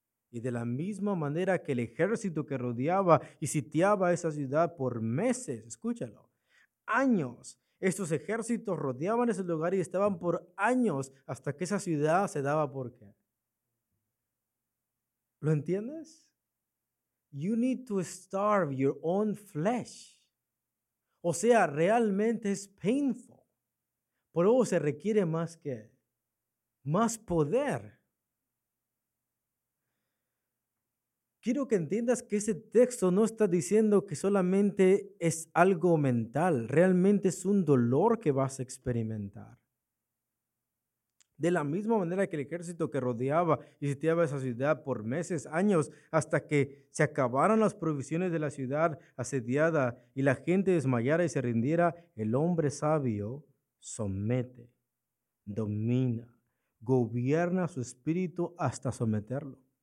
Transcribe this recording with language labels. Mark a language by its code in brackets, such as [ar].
[es] Y de la misma manera que el ejército que rodeaba y sitiaba esa ciudad por meses, escúchalo, años, estos ejércitos rodeaban ese lugar y estaban por años hasta que esa ciudad se daba por qué. ¿Lo entiendes? [en] You need to starve your own flesh. [es] O sea, realmente es painful. Por eso se requiere más que más poder. Quiero que entiendas que ese texto no está diciendo que solamente es algo mental. Realmente es un dolor que vas a experimentar. De la misma manera que el ejército que rodeaba y sitiaba esa ciudad por meses, años, hasta que se acabaran las provisiones de la ciudad asediada y la gente desmayara y se rindiera, el hombre sabio somete, domina, gobierna su espíritu hasta someterlo.